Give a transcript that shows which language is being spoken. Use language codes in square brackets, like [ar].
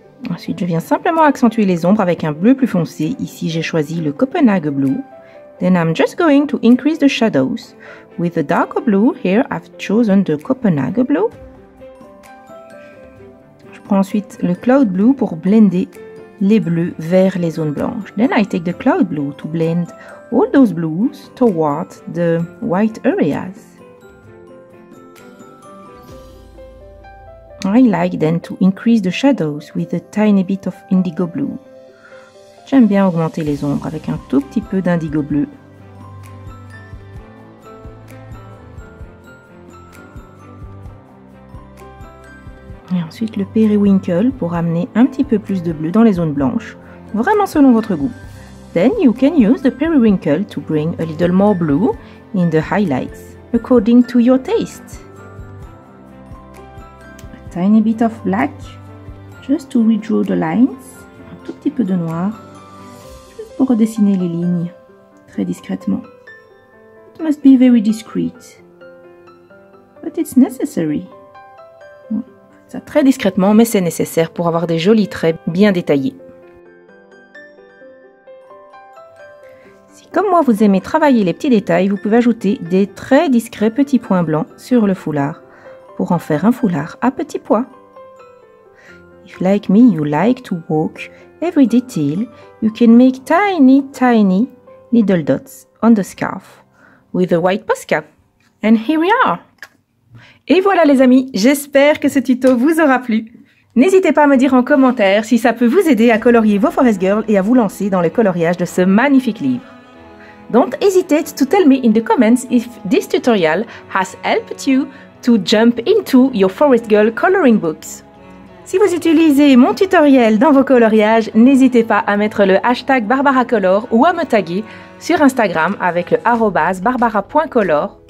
[fr] Ensuite, je viens simplement accentuer les ombres avec un bleu plus foncé. Ici, j'ai choisi le Copenhague blue. [en] Then I'm just going to increase the shadows. With the darker blue, here I've chosen the Copenhague blue. [fr] Je prends ensuite le cloud blue pour blender les bleus vers les zones blanches. [en] Then I take the cloud blue to blend all those blues toward the white areas. I like then to increase the shadows with a tiny bit of indigo blue. [fr] J'aime bien augmenter les ombres avec un tout petit peu d'indigo bleu. Et ensuite le periwinkle pour amener un petit peu plus de bleu dans les zones blanches, vraiment selon votre goût. [en] Then you can use the periwinkle to bring a little more blue in the highlights, according to your taste. Tiny bit of black, just to redraw the lines, [fr] un tout petit peu de noir, juste pour redessiner les lignes, très discrètement. [en] It must be very discreet, but it's necessary. [fr] Ça très discrètement, mais c'est nécessaire pour avoir des jolis traits bien détaillés. Si comme moi vous aimez travailler les petits détails, vous pouvez ajouter des très discrets petits points blancs sur le foulard pour en faire un foulard à petits pois. [en] If like me you like to work every detail, you can make tiny, tiny needle dots on the scarf with a white Posca. And here we are! [fr] Et voilà les amis, j'espère que ce tuto vous aura plu. N'hésitez pas à me dire en commentaire si ça peut vous aider à colorier vos Forest Girls et à vous lancer dans le coloriage de ce magnifique livre. [en] Don't hesitate to tell me in the comments if this tutorial has helped you to jump into your Forest Girl coloring books. [fr] Si vous utilisez mon tutoriel dans vos coloriages, n'hésitez pas à mettre le hashtag BarbaraColor ou à me taguer sur Instagram avec le @barbara.color.